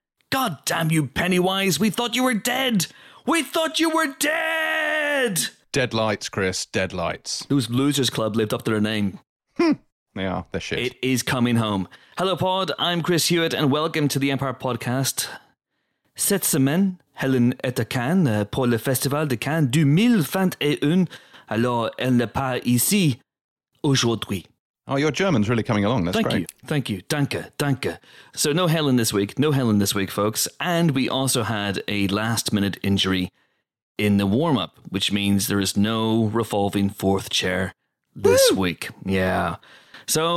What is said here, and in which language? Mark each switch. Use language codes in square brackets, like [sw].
[en] God damn you, Pennywise. We thought you were dead. We thought you were dead. Deadlights, Chris. Deadlights. Those losers club lived up to their name. They are. They're shit. It is coming home. Hello, Pod. I'm Chris Hewitt, and welcome to the Empire Podcast. [fr] Cette semaine, Helen est à Cannes pour le Festival de Cannes 2021. Alors, elle n'est pas ici aujourd'hui. [en] Oh, your German's really coming along. That's thank great. Thank you. Danke. Danke. So, no Helen this week. No Helen this week, folks. And we also had a last-minute injury in the warm-up, which means there is no revolving fourth chair this Woo! Week. Yeah. So,